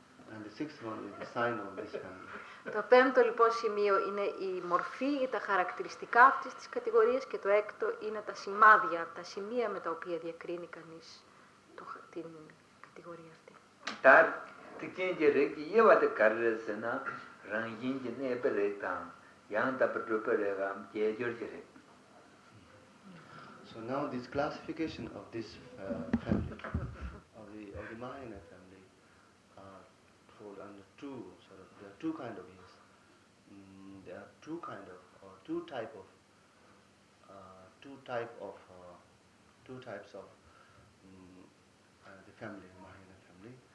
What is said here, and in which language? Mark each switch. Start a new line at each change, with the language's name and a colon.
English: And the sixth one is the sign of this family.
Greek: Το πέμπτο λοιπόν σημείο είναι η μορφή ή τα χαρακτηριστικά αυτής της κατηγορίας και το έκτο είναι τα σημάδια, τα σημεία με τα οποία διακρίνει κανείς την κατηγορία αυτή. Τα τικίνγκε ρε και γεύατε καρρές ένα ραγγίνγκε νέα επελέκταν για να τα πρωτοπελέγαμε και έγιωργε ρε.
English: So now this classification of this family, of the minor family, are told under two. There are two kind of yes. There are two kind of or two type of two types of the family, Mahayana family.